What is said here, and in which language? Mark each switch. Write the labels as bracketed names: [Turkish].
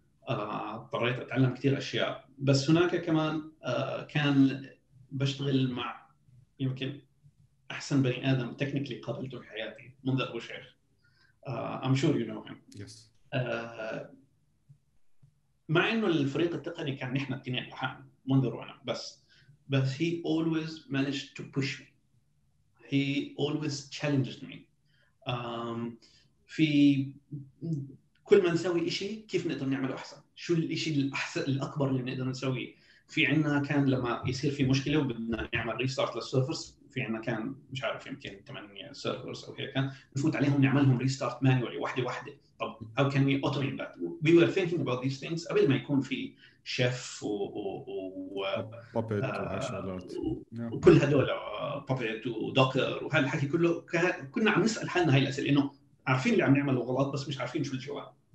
[Arabic] اضطريت اتعلم كثير اشياء. بس هناك كمان كان بشتغل مع يمكن احسن بني ادم تكنيكلي قابلته في حياتي، منذر ابو شيخ. [English] I'm sure you know him. Yes. [Arabic] مع انه الفريق التقني كان نحن الاثنين لحالنا، منذر وانا بس، بس [English] he always managed to push me. He always challenged me. [Arabic] في كل ما نسوي إشي كيف نقدر نعمله أحسن؟ شو الإشي الأحسن الأكبر اللي نقدر نسويه؟ في عنا كان لما يصير في مشكلة وبدنا نعمل ريستارت للسيرفرز، في عنا كان مش عارف يمكن 8 سيرفرز أو هيك، كان نفوت عليهم نعملهم ريستارت مانيولي واحدة واحدة. طب [English] how can we automate that? We were thinking about these things [Arabic] قبل ما يكون في شيف وبابيت وعشالات وكل هدول بابيت ودوكر وهالحكي كله. كنا عم نسأل حالنا هاي الأسئلة، إنه عارفين اللي عم نعمله غلط بس مش عارفين شو الجواب.